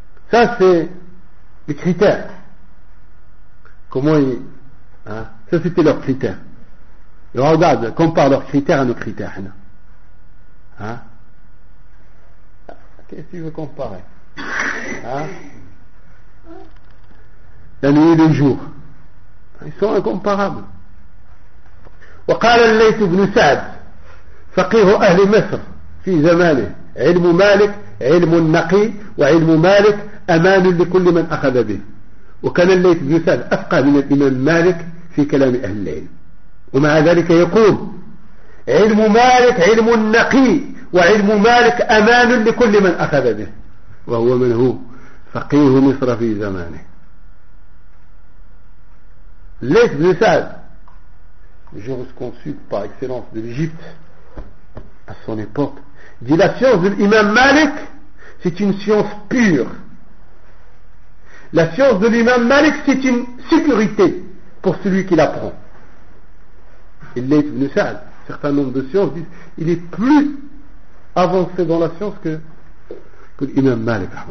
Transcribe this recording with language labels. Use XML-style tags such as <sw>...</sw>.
<fr>Ça, c'est les critères. Comment ils... Hein? Ça, c'était leurs critères. Et regarde, compare leurs critères à nos critères. Hein? Qu'est-ce que tu veux comparer? La nuit et le jour. Ils sont incomparables.</fr> <ar>وقال الليث بن سعد فقيه أهل مصر في زمانه علم مالك علم نقي وعلم مالك أمان لكل من أخذ به وكان الليث بن سعد أفقه من الإمام مالك في كلام أهل العلم ومع ذلك يقول علم مالك علم نقي وعلم مالك أمان لكل من أخذ به وهو من هو فقيه مصر في زمانه</ar> <fr>الليث بن سعد jurisconsulte par excellence de l'Égypte à son époque, dit la science de l'imam Malik, c'est une science pure. La science de l'imam Malik, c'est une sécurité pour celui qui l'apprend. Il l'est venu ça. Certains nombres de sciences disent il est plus avancé dans la science que l'imam Malik.</fr>